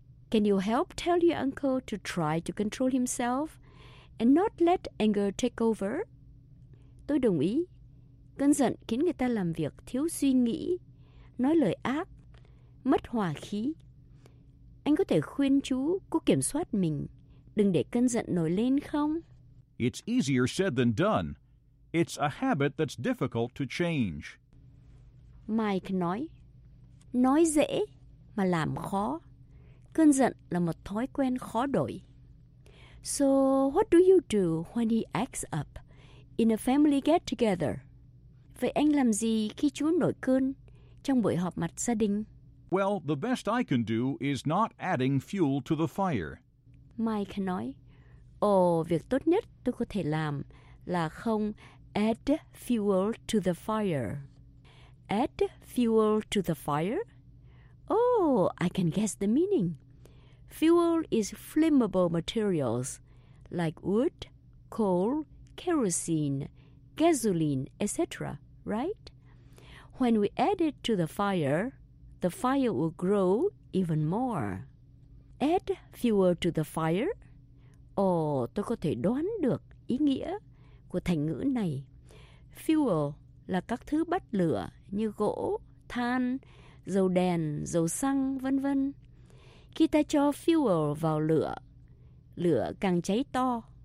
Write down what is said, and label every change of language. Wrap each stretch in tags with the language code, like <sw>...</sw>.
<en>Can you help tell your uncle to try to control himself and not let anger take over?</en> <vi>Tôi đồng ý. Cơn giận khiến người ta làm việc thiếu suy nghĩ, nói lời ác, mất hòa khí. Anh có thể khuyên chú cố kiểm soát mình, đừng để cơn giận nổi lên không?</vi> <en>It's easier said than done. It's a habit that's difficult to change.</en> <vi>Mike nói, nói dễ mà làm khó. Cơn giận là một thói quen khó đổi.</vi> <en>So what do you do when he acts up in a family get-together?</en> <vi>Vậy anh làm gì khi chú nổi cơn trong buổi họp mặt gia đình?</vi> <en>Well, the best I can do is not adding fuel to the fire.</en> <vi>Mike nói, Ồ, việc tốt nhất tôi có thể làm là không add fuel to the fire.</vi> <en>Add fuel to the fire? Oh, I can guess the meaning. Fuel is flammable materials like wood, coal, kerosene, gasoline, etc., right? When we add it to the fire will grow even more. Add fuel to the fire?</en> <vi>Oh, tôi có thể đoán được ý nghĩa của thành ngữ này. Fuel là các thứ bắt lửa như gỗ, than, dầu đèn, dầu xăng, vân vân. Khi ta cho fuel vào lửa, lửa càng cháy to.</vi>